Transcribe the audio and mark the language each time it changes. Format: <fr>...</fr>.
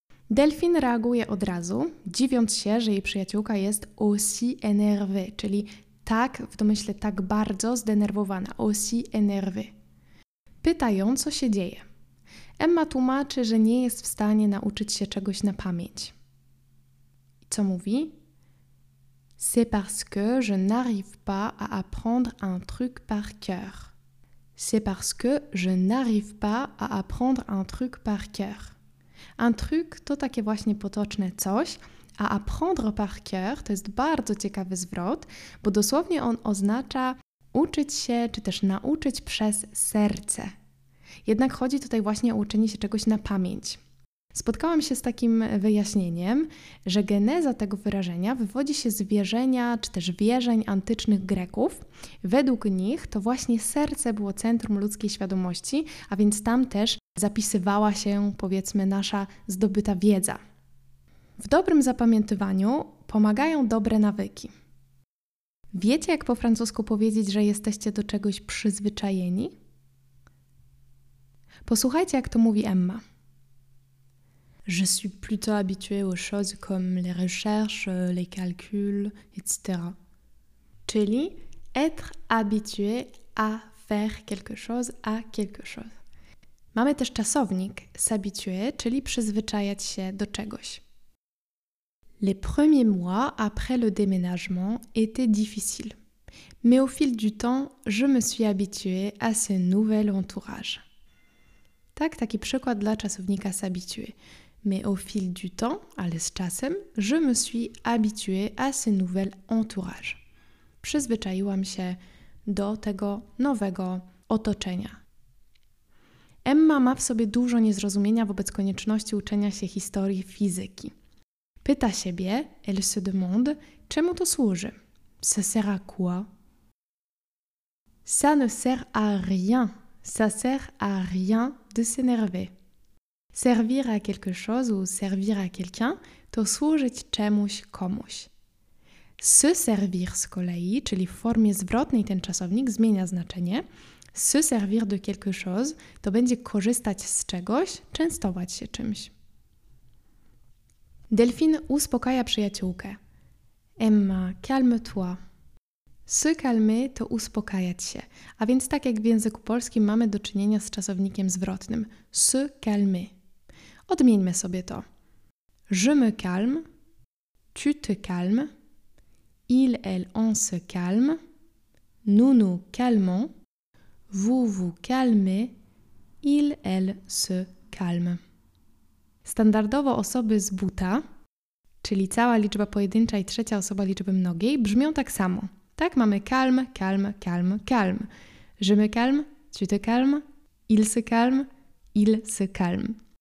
<pl>Delphine reaguje od razu, dziwiąc się, że jej przyjaciółka jest</pl> <fr>aussi énervée,</fr> <pl>czyli tak, w domyśle tak bardzo zdenerwowana, aussi énervée. Pyta ją, co się dzieje. Emma tłumaczy, że nie jest w stanie nauczyć się czegoś na pamięć. I co mówi?</pl> <fr>C'est parce que je n'arrive pas à apprendre un truc par cœur. C'est parce que je n'arrive pas à apprendre un truc par cœur.</fr> <pl>Un truc to takie właśnie potoczne coś, a</pl> <fr>apprendre par cœur</fr> <pl>to jest bardzo ciekawy zwrot, bo dosłownie on oznacza uczyć się czy też nauczyć przez serce. Jednak chodzi tutaj właśnie o uczenie się czegoś na pamięć. Spotkałam się z takim wyjaśnieniem, że geneza tego wyrażenia wywodzi się z wierzenia czy też wierzeń antycznych Greków. Według nich to właśnie serce było centrum ludzkiej świadomości, a więc tam też zapisywała się, powiedzmy, nasza zdobyta wiedza. W dobrym zapamiętywaniu pomagają dobre nawyki. Wiecie, jak po francusku powiedzieć, że jesteście do czegoś przyzwyczajeni? Posłuchajcie, jak to mówi Emma.</pl> <fr>Je suis plutôt habituée aux choses comme les recherches, les calculs, etc. Czyli être habitué à faire quelque chose, à quelque chose.</fr> <pl>Mamy też czasownik s'habituer, czyli przyzwyczajać się do czegoś.</pl> <fr>Les premiers mois après le déménagement étaient difficiles. Mais au fil du temps, je me suis habituée à ce nouvel entourage.</fr> <pl>Tak, taki przykład dla czasownika s'habituer.</pl> <fr>Mais au fil du temps,</fr> <pl>ale z czasem,</pl> <fr>je me suis habituée à ce nouvel entourage.</fr> <pl>Przyzwyczaiłam się do tego nowego otoczenia. Emma ma w sobie dużo niezrozumienia wobec konieczności uczenia się historii fizyki. Pyta siebie,</pl> <fr>elle se demande,</fr> <pl>czemu to służy?</pl> <fr>Ça sert à quoi? Ça ne sert à rien. Ça sert à rien de s'énerver. Servir à quelque chose ou servir à quelqu'un,</fr> <pl>to służyć czemuś komuś. Se servir z kolei, czyli w formie zwrotnej ten czasownik, zmienia znaczenie.</pl> <fr>Se servir de quelque chose,</fr> <pl>to będzie korzystać z czegoś, częstować się czymś. Delphine uspokaja przyjaciółkę.</pl> <fr>Emma, calme-toi.</fr> <pl>Se calmer, to uspokajać się. A więc tak jak w języku polskim mamy do czynienia z czasownikiem zwrotnym. Se calmer. Odmieńmy sobie to.</pl> <fr>Je me calme, tu te calmes, il, elle, on se calme, nous nous calmons, vous vous calmez, il, elle se calme.</fr> <pl>Standardowo osoby z buta, czyli cała liczba pojedyncza i trzecia osoba liczby mnogiej, brzmią tak samo. Tak, mamy</pl> <fr>calme, calme, calme, calme. Je me calme, tu te calmes, il se calme, il se calme.</fr>